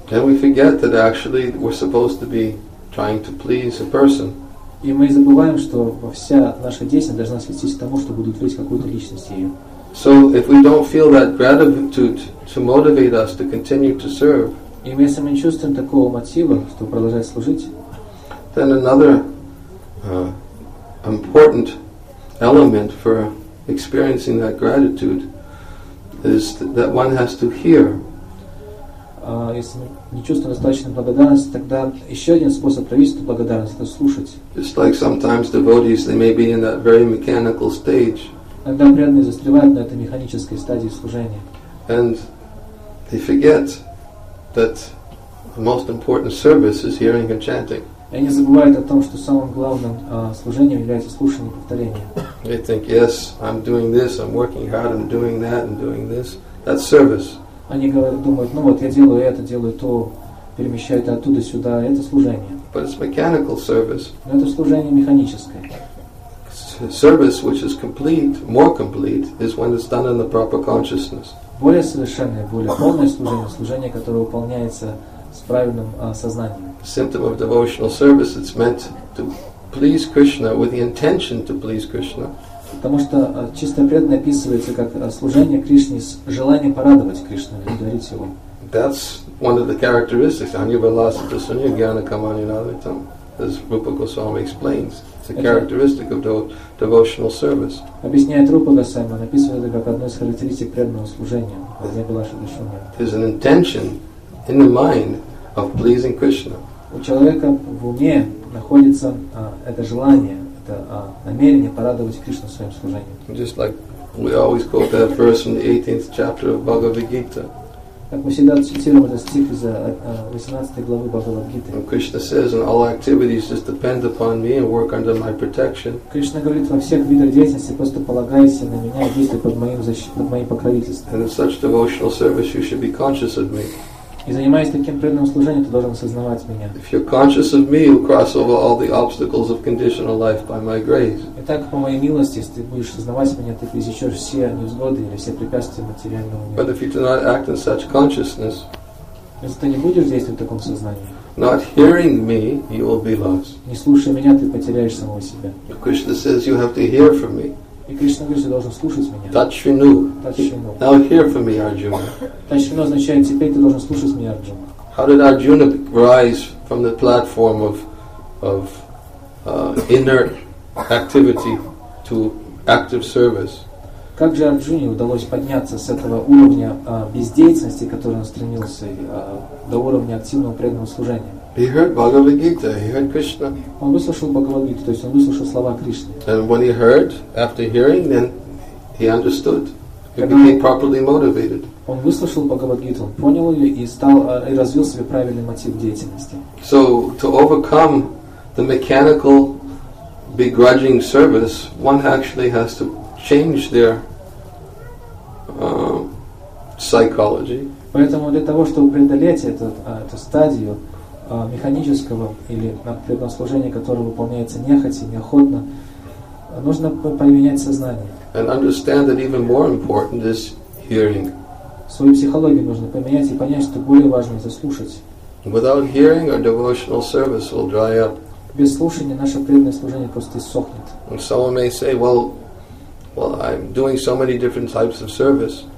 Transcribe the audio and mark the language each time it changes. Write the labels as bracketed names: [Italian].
[English] And we forget that actually we're supposed to be trying to please a person. [Russian] И мы забываем, что вся наша деятельность должна свестись к тому, чтобы удовлетворить какую-то личность ее. [English] So if we don't feel that gratitude to motivate us to continue to serve, [Russian] и мы, если мы не чувствуем такого мотива, чтобы продолжать служить, [English] then another important element for experiencing that gratitude is that one has to hear. [Russian] Если не чувствуем достаточной благодарности, тогда еще один способ проявить эту благодарность — это слушать. [English] Just like sometimes devotees, they may be in that very mechanical stage. [Russian] Иногда преданные застревают на этой механической стадии служения. [English] And they forget that the most important service is hearing and chanting. [Russian] И они забывают о том, что самым главным служением является слушание и повторение. [English] They think, yes, I'm doing this, I'm working hard, I'm doing that, I'm doing this. That's service. [Russian] Они думают, ну вот я делаю это, делаю то, перемещаю это оттуда сюда, это служение. [English] But it's mechanical service. [Russian] Но это служение механическое. [English] Service which is complete, more complete, is when it's done in the proper consciousness. [Russian] Более совершенное, более полное служение — служение, которое выполняется с правильным сознанием. [English] Symptom of devotional service, it's meant to please Krishna with the intention to please Krishna. [Russian] Потому что чисто преданное описывается как служение Кришне с желанием порадовать Кришну, удовлетворить его. [English] That's one of the characteristics. [Sanskrit] Anyavalasa Dasunya Gyana Kamaninavitam, [English] as Rupa Goswami explains. It's a characteristic of devotional service. [Russian] Объясняет Рупа Госвами, он описывает это как одну из характеристик преданного служения. [Sanskrit] Anyavalasa Dasunya. [English] There's an intention in the mind of pleasing Krishna. [Russian] У человека в уме находится это желание, это намерение порадовать Кришну своим служением. [English] Just like we always quote that verse from the 18th chapter of Bhagavad Gita. [Russian] Как мы всегда цитируем этот стих из 18 главы Бхагавад Гиты. [English] Krishna says, "In all activities, just depend upon me and work under my protection." [Russian] Кришна говорит, во всех видах деятельности просто полагайся на меня и действуй под моим покровительством. [English] And in such devotional service, you should be conscious of me. [Russian] И занимаясь таким преданным служением, ты должен осознавать меня. [English] If you're conscious of me, you'll cross over all the obstacles of conditional life by my grace. [Russian] Итак, по моей милости, если ты будешь осознавать меня, ты пересечешь все невзгоды или все препятствия материального мира. [English] But if you do not act in such consciousness, [Russian] если ты не будешь действовать в таком сознании, [English] not hearing me, you will be lost. [Russian] Не слушая меня, ты потеряешь самого себя. [English] If Krishna says you have to hear from me. [Russian] И Кришна говорит, ты должен слушать меня. [English] Тачвину. Now hear from me, Arjuna. [Russian] Тачвину означает, теперь ты должен слушать меня, Арджуна. [English] How did Arjuna rise from the platform of inert activity to active service? [Russian] Как же Арджуне удалось подняться с этого уровня бездеятельности, к которому он стремился, до уровня активного преданного служения? [English] He heard Bhagavad Gita, he heard Krishna. [Russian] Он выслушал Бхагавад Гиту, то есть он выслушал слова Кришны. [English] And when he heard, after hearing, then he understood. He became properly motivated. [Russian] Он выслушал Бхагавад Гиту, он понял ее и стал и развил себе правильный мотив деятельности. [English] So to overcome the mechanical begrudging service, one actually has to change their psychology. [Russian] Поэтому для того, чтобы преодолеть эту стадию механического или преданного служения, которое выполняется нехотя, неохотно, нужно поменять сознание. [English] And understand that even more important is hearing. [Russian] Свою психологию нужно поменять и понять, что более важно это слушать. [English] Without hearing, our devotional service will dry up. [Russian] Без слушания наше преданное служение просто иссохнет. [English] And someone may say, well, I'm doing so many different types of service.